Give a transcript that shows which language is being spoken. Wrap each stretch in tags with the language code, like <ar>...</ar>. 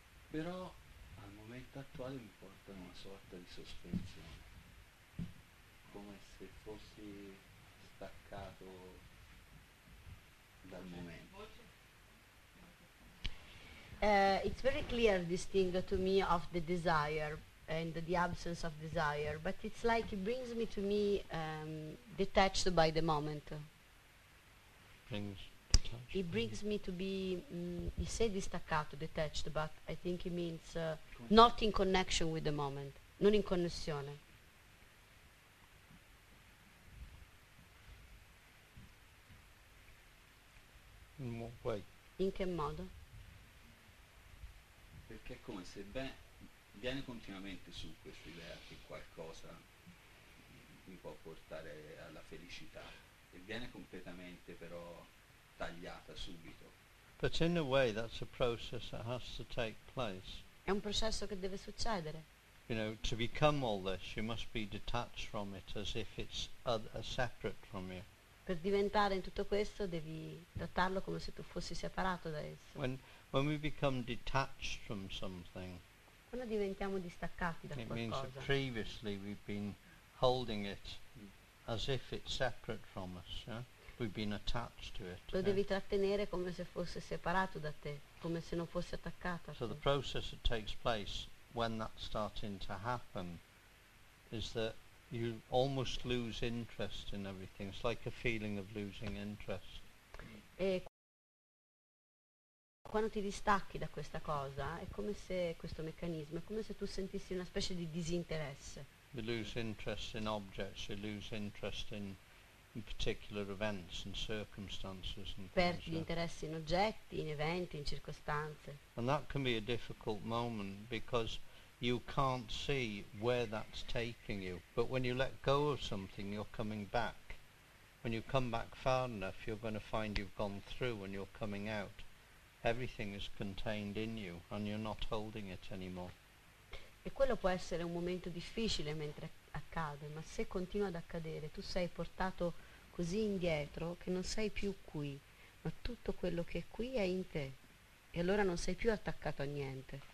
<it>Però al momento attuale mi porta una sorta di sospensione, come se fossi staccato dal momento.</it> <en>It's very clear this thing to me of the desire and the absence of desire, but it's like it brings me to me detached by the moment. Brings detached. It brings me to be, you say distaccato, detached, but I think it means not in connection with the moment,</en> <it>non in connessione.</it> <en>In what way?</en> <it>In che modo? Perché è come se viene continuamente su questa idea che qualcosa mi può portare alla felicità, e viene completamente però tagliata subito.</it> <en>But in a way that's a process that has to take place.</en> <it>È un processo che deve succedere.</it> <en>You know, to become all this you must be detached from it as if it's a separate from you.</en> <it>Per diventare in tutto questo devi trattarlo come se tu fossi separato da esso.</it> <en>When we become detached from something,</en> <it>quando diventiamo distaccati da</it> <en>it</en> <it>qualcosa,</it> <en>means that previously we've been holding it as if it's separate from us. Yeah? We've been attached to it.</en> <it>Lo devi trattenere come se fosse separato da te, come se non fosse attaccato.</it> <en>So the process that takes place when that's starting to happen is that you almost lose interest in everything. It's like a feeling of losing interest.</en> <it>Quando ti distacchi da questa cosa, è come se questo meccanismo, è come se tu sentissi una specie di disinteresse.</it> <en>You lose interest in objects, you lose interest in particular events and circumstances and</en> <it>perdi things, interesse in oggetti, in eventi, in circostanze.</it> <en>And that can be a difficult moment because you can't see where that's taking you. But when you let go of something, you're coming back. When you come back far enough, you're going to find you've gone through and you're coming out. Everything is contained in you and you're not holding it anymore.</en> <it>E quello può essere un momento difficile mentre accade, ma se continua ad accadere, tu sei portato così indietro che non sei più qui, ma tutto quello che è qui è in te, e allora non sei più attaccato a niente.</it>